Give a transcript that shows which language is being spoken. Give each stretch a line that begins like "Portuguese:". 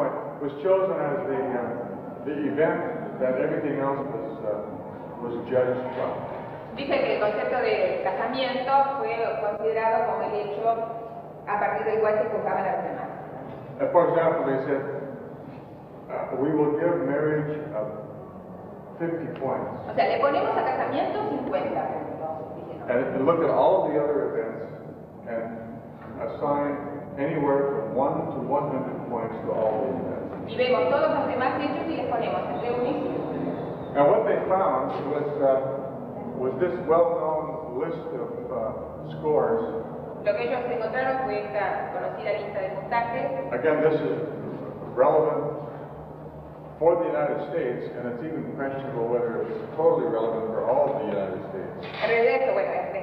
English: The midpoint was chosen as the event that everything else was judged from.
Spanish: Dice que el concepto de casamiento fue considerado como el hecho a partir del cual se juzgaban a los demás.
English: For example, they said, we will give marriage 50 points.
Spanish: O sea, le ponemos a casamiento 50 puntos.
English: And if you look at all of the other events and assign anywhere from 1 to 100 points to all the events.
Spanish: Y vemos todos los demás hechos y les ponemos entre 1 y 100.
English: And what they found was this well-known list of scores.
Spanish: Lo que ellos encontraron fue esta conocida lista de puntajes.
English: Again, this is relevant for the United States, and it's even questionable whether it's totally relevant for all of the United States.